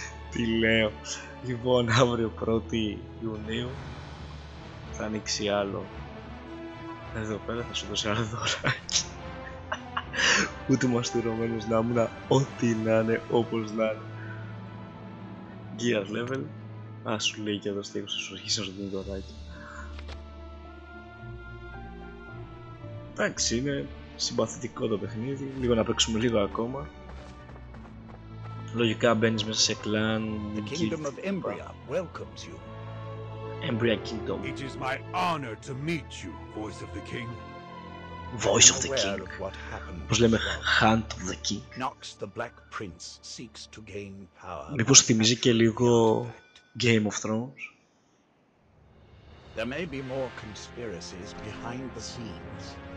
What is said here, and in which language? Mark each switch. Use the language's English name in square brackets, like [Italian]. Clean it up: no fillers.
[Greek] τι λέω, λοιπόν αύριο 1η Ιουνίου θα ανοίξει άλλο εδώ πέρα, θα σου δώσει άλλο δωράκι ούτε μαστηρωμένος να ήμουν, ό,τι να είναι, όπως να είναι Gear Level, ας σου λέει και εδώ στήκος, σου αρχίσει να σου δίνει δωράκι. Εντάξει, είναι συμπαθητικό το παιχνίδι, λίγο να παίξουμε λίγο ακόμα. Λογικά μπαίνεις μέσα σε κλάν. [English] The Kingdom of Embria welcomes you. Embria Kingdom. It is my honor to meet you, Voice of the King. Voice of the King. [Greek] Πώς λέμε, Hand of the King. [English] Knox the Black Prince seeks to gain power. [Greek] Μήπως θυμίζει και λίγο Game of Thrones. [English] There may be more conspiracies behind the scenes.